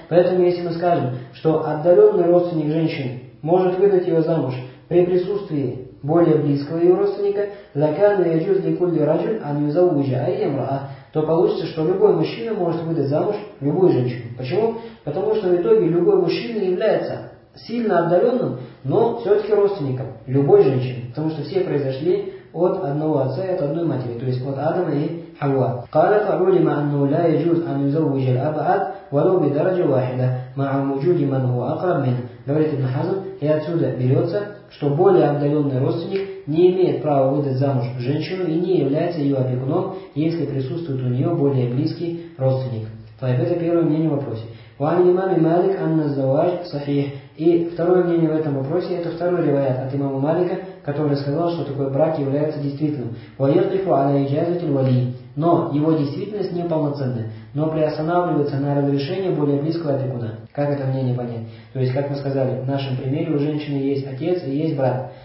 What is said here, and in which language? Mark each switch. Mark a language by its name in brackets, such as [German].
[Russian] Поэтому, если мы скажем, что отдаленный родственник женщины может выдать ее замуж при присутствии более близкого ее родственника, [Arabic] лакану яджуз ликулли раджуль анюзавуджи айям ра'а, [Russian] то получится, что любой мужчина может выдать замуж любую женщину. Почему? Потому что в итоге любой мужчина является сильно отдаленным, но все-таки родственником любой женщины, потому что все произошли от одного отца и от одной матери, то есть от Адама и Хавва. [Arabic] قالت علماء أنه لا يجوز أن يزوج الأبعد ولو بدرجة واحدة مع وجود من هو أقرب منه. [Russian] Говорит Ибн Хазм, и отсюда берется, что более отдаленный родственник не имеет права выдать замуж женщину и не является ее опекуном, если присутствует у нее более близкий родственник. То есть это первое мнение в вопросе. [Arabic] وعن الإمام مالك أن الزواج صحيح. [Russian] И второе мнение в этом вопросе, это второй риваят от имама Малика, который сказал, что такой брак является действительным. [Arabic] وَيَقْفُ عَلَى إِجَازَةِ الْوَلِيِّ. [Russian] Но его действительность неполноценная, но приостанавливается на разрешение более близкого опекуна. Как это мнение понять? То есть, как мы сказали, в нашем примере у женщины есть отец и есть брат.